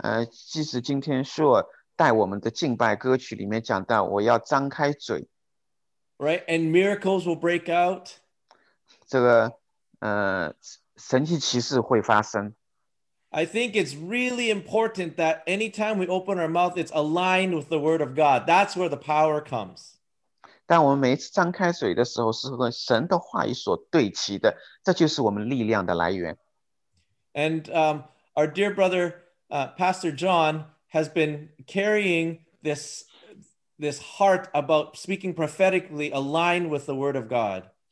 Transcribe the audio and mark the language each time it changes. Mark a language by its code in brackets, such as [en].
[zh] 即使今天Sure带我们的敬拜歌曲里面讲到，我要张开嘴。Right, [en] and miracles will break out. [zh] 这个神迹奇事会发生。 [en] I think it's really important that anytime we open our mouth, it's aligned with the word of God. That's where the power comes. [zh] 当我们每一次张开嘴的时候，是和神的话语所对齐的，这就是我们力量的来源。 [en] And our dear brother, Pastor John, has been carrying this heart about speaking prophetically aligned with the word of God.